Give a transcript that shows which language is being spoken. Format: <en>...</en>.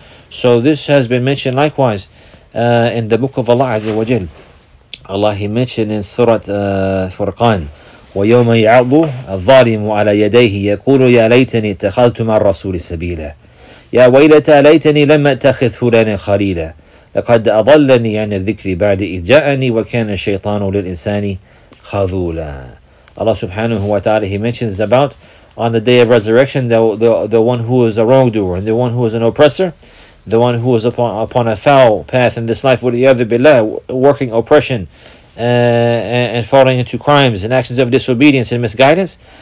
<en>So this has been mentioned likewise in the book of Allah Azza wa Jal. Allah, he mentioned in Surah Furqan,</en> <ar>وَيَوْمَ يَعْضُ الظَّالِمُ عَلَى يَدَيْهِ يَقُولُ يَا لَيْتَنِي اتَّخَذْتُ مَعَ الرَّسُولِ سَبِيلًا يَا وَيْلَتَا لَيْتَنِي لَمْ أَتَّخِذْ فُلَانًا خَلِيلًا لَقَدْ أَضَلَّنِي عَنِ الذِّكْرِ بَعْدَ إِذْ جَاءَنِي وَكَانَ الشَّيْطَانُ لِلْإِنسَانِ خَذُولًا.</ar> <en>Allah subhanahu wa ta'ala, he mentions about on the day of resurrection the one who is a wrongdoer and the one who is an oppressor, the one who is upon a foul path in this life,</en> <ar>وَلِيَذُ بِاللَّهِ,</ar> <en>working oppression and falling into crimes and actions of disobedience and misguidance.</en>